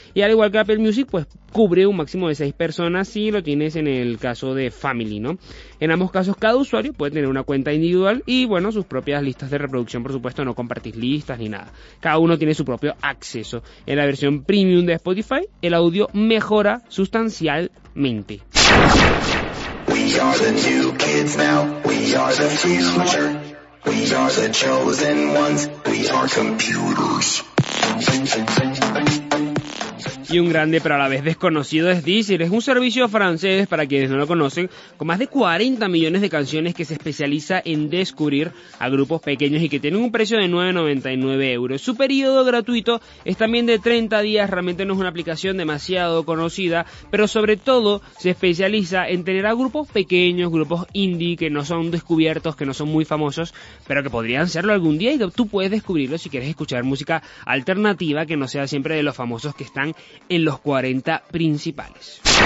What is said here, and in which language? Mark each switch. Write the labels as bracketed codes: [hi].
[es] Y al igual que Apple Music, pues cubre un máximo de 6 personas si lo tienes en el caso de Family, ¿no? En ambos casos, cada usuario puede tener una cuenta individual y, bueno, sus propias listas de reproducción, por supuesto, no compartir listas ni nada. Cada uno tiene su propio acceso. En la versión Premium de Spotify, el audio mejora sustancialmente. [en] We are the new kids now, we are the future, we are the chosen ones, we are computers. [es] Y un grande pero a la vez desconocido es Deezer. Es un servicio francés, para quienes no lo conocen, con más de 40 millones de canciones, que se especializa en descubrir a grupos pequeños y que tienen un precio de 9,99 euros. Su periodo gratuito es también de 30 días. Realmente no es una aplicación demasiado conocida, pero sobre todo se especializa en tener a grupos pequeños, grupos indie que no son descubiertos, que no son muy famosos, pero que podrían serlo algún día y que tú puedes descubrirlo si quieres escuchar música alternativa que no sea siempre de los famosos que están en los 40 principales.